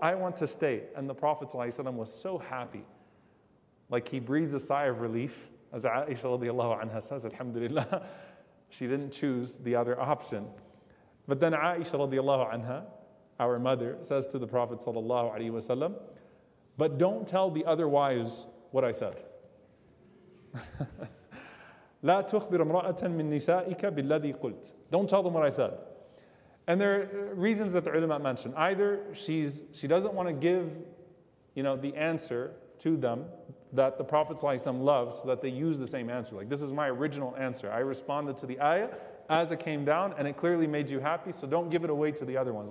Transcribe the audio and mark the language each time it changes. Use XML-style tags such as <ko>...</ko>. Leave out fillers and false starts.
<en>I want to stay. And the Prophet ﷺ was so happy. Like he breathes a sigh of relief, as Aisha radiallahu anha says, Alhamdulillah, she didn't choose the other option. But then Aisha radiallahu anha, our mother, says to the Prophet sallallahu alayhi wa sallam, but don't tell the other wives what I said.</en> <ar>لا تخبر امرأة من نسائك بالذي قلت.</ar> <en>Don't tell them what I said. And there are reasons that the ulama mentioned. Either she doesn't want to give, you know, the answer to them that the Prophet ﷺ loves, so that they use the same answer. Like, this is my original answer. I responded to the ayah as it came down, and it clearly made you happy, so don't give it away to the other ones.</en>